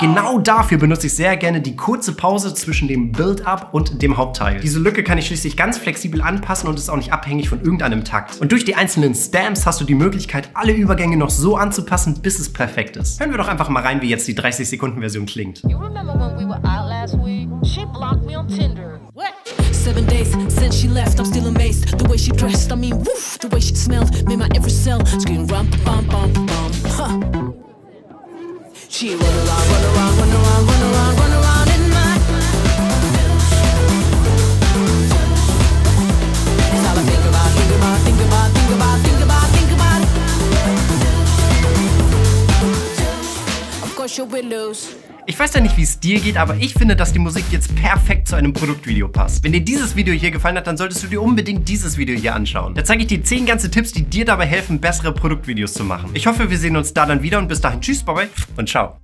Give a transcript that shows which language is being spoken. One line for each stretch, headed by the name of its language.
German: Genau dafür benutze ich sehr gerne die kurze Pause zwischen dem Build-up und dem Hauptteil. Diese Lücke kann ich schließlich ganz flexibel anpassen und ist auch nicht abhängig von irgendeinem Takt. Und durch die einzelnen Stamps hast du die Möglichkeit, alle Übergänge noch so anzupassen, bis es perfekt ist. Hören wir doch einfach mal rein, wie jetzt die 30-Sekunden-Version klingt.
English: You remember when we were out last week? She blocked me on Tinder. What? 7 days since she left, I'm still amazed. The way she dressed, I mean, woof, the way she smelled, made my every cell scream, rum, bum, bum, bum, huh. She run around, run around, run around, run around, run around in my mind. It's all I think about, think about, think about, think about, think about, think about. crush your windows.
German: Ich weiß ja nicht, wie es dir geht, aber ich finde, dass die Musik jetzt perfekt zu einem Produktvideo passt. Wenn dir dieses Video hier gefallen hat, dann solltest du dir unbedingt dieses Video hier anschauen. Da zeige ich dir 10 ganze Tipps, die dir dabei helfen, bessere Produktvideos zu machen. Ich hoffe, wir sehen uns da dann wieder und bis dahin tschüss, bye bye und ciao.